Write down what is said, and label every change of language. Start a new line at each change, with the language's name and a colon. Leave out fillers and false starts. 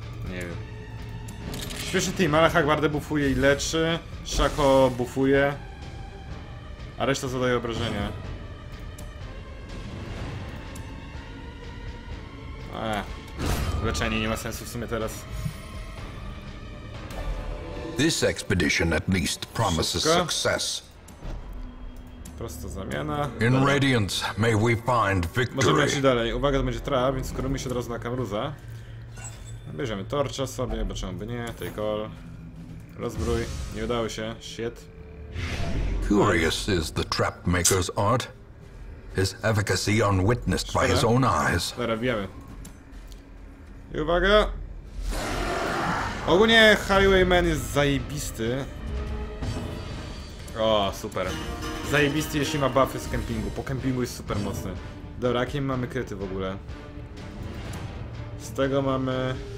Polish: Nie wiem. Śmieszny team, ale Hagbard buffuje i leczy. Shaco buffuje. A reszta zadaje obrażenia. Leczenie nie ma sensu w sumie teraz.
English: This expedition at least promises success.
Polish: Prosta zamiana.
English: In Radiance, may we find victory.
Polish: Możemy iść dalej. Uwaga, to będzie trap, więc skoro mi się teraz na kamruza. Bierzemy torcza sobie, bo czemu by nie?
English: Take all.
Polish: Rozbrój. Nie udało się. Shit.
English: Curious is the trap maker's art. His efficacy unwitnessed by his own eyes.
Polish: Dobra, wbijamy. I uwaga. Ogólnie Highwayman jest zajebisty. O, super. Zajebisty, jeśli ma buffy z kempingu. Po kempingu jest super mocny. Dobra, jakie mamy kryty w ogóle? Z tego mamy...